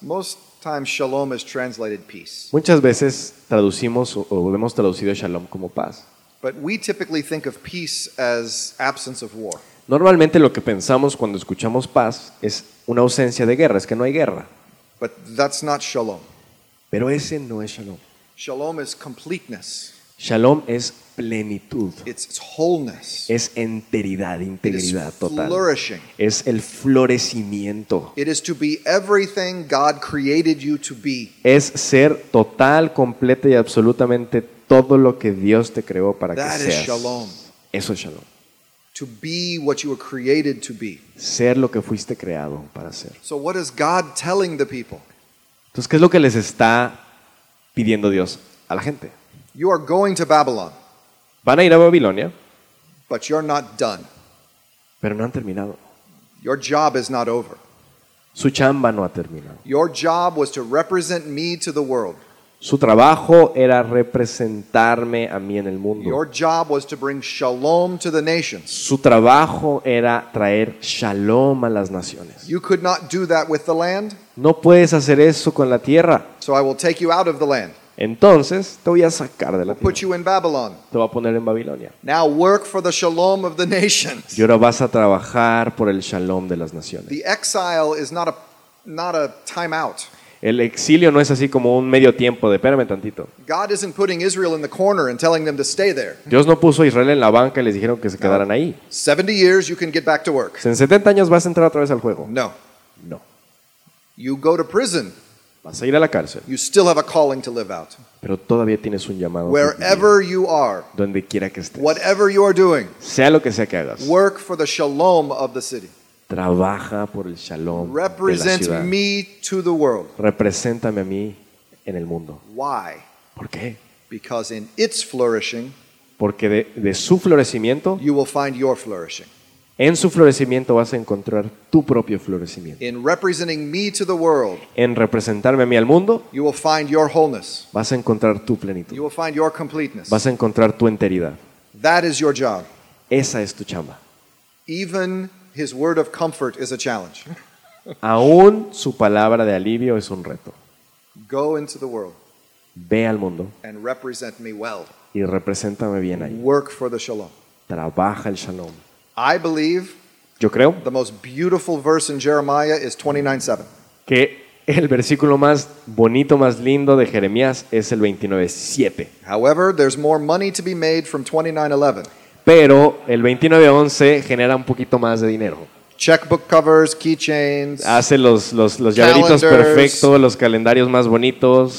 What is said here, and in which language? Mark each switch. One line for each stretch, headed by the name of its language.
English: Most times shalom is translated peace.
Spanish: Muchas veces traducimos o hemos traducido shalom como paz.
English: But we typically think of peace as absence of war.
Spanish: Normalmente lo que pensamos cuando escuchamos paz es una ausencia de guerra, es que no hay guerra.
English: But that's not shalom.
Spanish: Pero ese no es shalom.
English: Shalom is completeness.
Spanish: Shalom es plenitud.
English: It's wholeness.
Spanish: Es enteridad, integridad total.
English: It's flourishing.
Spanish: Es el florecimiento.
English: It is to be everything God created you to be.
Spanish: Es ser total, completo y absolutamente todo lo que Dios te creó para
English: that
Spanish: que seas.
English: That is shalom.
Spanish: Eso es shalom.
English: To be what you were created to be.
Spanish: Ser lo que fuiste creado para ser.
English: So what is God telling the people?
Spanish: Entonces, ¿qué es lo que les está pidiendo Dios a la gente?
English: You are going to Babylon.
Spanish: Van a ir a Babilonia.
English: But you're not done.
Spanish: Pero no han terminado.
English: Your job is not over.
Spanish: Su chamba no ha terminado.
English: Your job was to represent me to the world.
Spanish: Su trabajo era representarme a mí en el mundo.
English: Your job was to bring shalom to the nations.
Spanish: Su trabajo era traer shalom a las naciones.
English: You could not do that with the land.
Spanish: No puedes hacer eso con la tierra.
English: So I will take you out of the land.
Spanish: Entonces, te voy a sacar de la tierra.
English: Put you in Babylon.
Spanish: Te voy a poner en Babilonia.
English: Now work for the shalom of the nations.
Spanish: Y ahora vas a trabajar por el shalom de las naciones.
English: The exile is not a time out.
Spanish: El exilio no es así como un medio tiempo de espérame tantito.
English: God isn't putting Israel in the corner and telling them to stay there.
Spanish: Dios no puso a Israel en la banca y les dijeron que se quedaran no. Ahí.
English: 70 years you can get back to work.
Spanish: En 70 años vas a entrar otra vez al juego.
English: No.
Spanish: No.
English: You go to prison.
Spanish: Vas a ir a la cárcel.
English: You still have a calling to live out.
Spanish: Pero todavía tienes un llamado.
English: Wherever you are.
Spanish: Donde quiera que estés.
English: Whatever you are doing.
Spanish: Sea lo que sea que hagas.
English: Work for the shalom of the city.
Spanish: Trabaja por el shalom de la ciudad.
English: Represent me to the world.
Spanish: Represéntame a mí en el mundo.
English: Why?
Spanish: ¿Por qué?
English: Because in its flourishing.
Spanish: Porque de su florecimiento.
English: You will find your flourishing.
Spanish: En su florecimiento vas a encontrar tu propio florecimiento.
English: In representing me to the world,
Spanish: en representarme a mí al mundo,
English: you will find your wholeness.
Spanish: Vas a encontrar tu plenitud.
English: You will find your completeness.
Spanish: Vas a encontrar tu enteridad.
English: That is your job.
Spanish: Esa es tu chamba.
English: Even his word of comfort is a challenge.
Spanish: Aún su palabra de alivio es un reto.
English: Go into the world.
Spanish: Ve al mundo.
English: And represent me well.
Spanish: Y represéntame bien ahí.
English: Work for the shalom.
Spanish: Trabaja el shalom.
English: I believe
Spanish: yo creo
English: the most beautiful verse in Jeremiah is 29:7.
Spanish: Que el versículo más bonito, más lindo de Jeremías es el 29:7.
English: However, there's more money to be made from 29:11.
Spanish: Pero el 29:11 genera un poquito más de dinero.
English: checkbook covers, keychains.
Spanish: Hace los llaveritos perfectos, los calendarios más bonitos.